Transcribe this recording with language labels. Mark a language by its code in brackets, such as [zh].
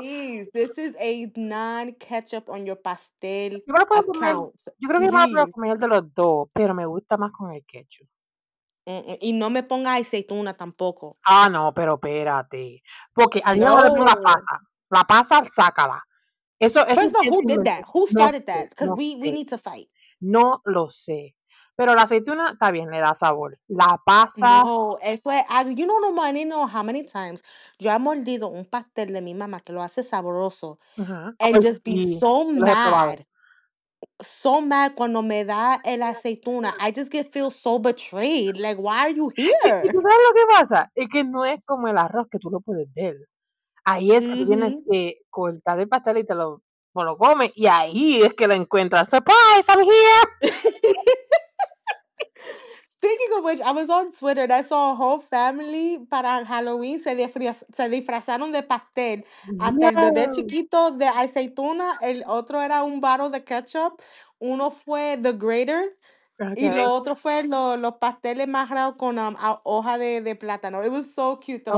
[en] This is a non-ketchup on your pastel. [es] Yo creo que más puedo comer de los dos, pero me gusta más con el ketchup. Y no me ponga aceituna tampoco. Ah, no, pero espérate. Porque al día de hoy la pasa, sácala. Eso [en] first of all, who did that? Who started that? Because we need to fight. [es] No lo sé. Pero la aceituna está bien, le da sabor. La pasa. No, eso es. [en] You know, no money, no, how many times [es] yo he mordido un pastel de mi mamá que lo hace sabroso. Uh-huh. [en] And just be so mad. So mad [es] cuando me da el aceituna. [en] I just feel so betrayed. Like, why are you here? [es] ¿Sabes lo que pasa? Es que no es como el arroz que tú lo puedes ver. Ahí es que tú tienes que cortar el pastel y te lo comes. Y ahí es que lo encuentras. [en] Surprise, I'm here. Speaking of which, I was on Twitter and I saw a whole family [es] para Halloween se disfrazaron de pastel. Hasta el bebé chiquito de aceituna, el otro era un barro de ketchup, uno fue the grater y lo otro fue los pasteles majados con hoja de plátano. [en] It was so cute, [es] te lo